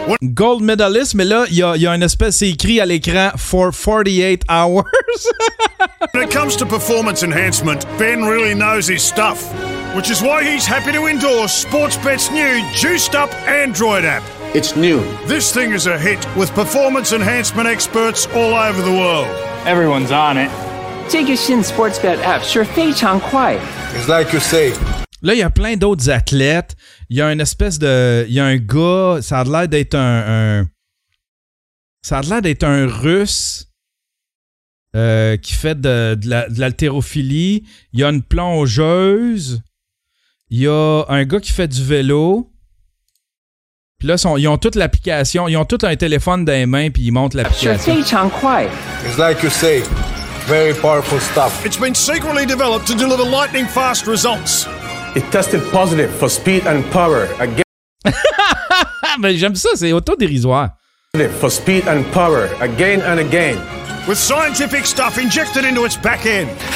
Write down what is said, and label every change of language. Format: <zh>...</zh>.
<en>Gold medalist,</en> <fr>mais là, il y a une espèce, c'est écrit à l'écran</fr> <en>for 48 hours. When it comes to performance enhancement, Ben really knows his stuff, which is why he's happy to endorse Sportsbet's new juiced up Android app. It's new. This thing is a hit with performance enhancement experts all over the world. Everyone's on it. Take your Shin Sportsbet app, sure,</en> <zh>Fei Chang Kwai.</zh> <en>It's like you say.</en> <fr>Là, il y a plein d'autres athlètes. Il y a une espèce de... Il y a un gars, ça a l'air d'être un... Ça a l'air d'être un Russe qui fait de l'haltérophilie. Il y a une plongeuse. Il y a un gars qui fait du vélo. Puis là, ils ont toute l'application. Ils ont tout un téléphone dans les mains, puis ils montent l'application.</fr> <en>It's like you say, very powerful stuff. It's been secretly developed to deliver lightning fast results. It tested positive for speed and power again.</en> <fr>Mais j'aime ça, c'est autodérisoire.</fr> <en>For speed and power again and again. With scientific stuff injected into its back end.</en>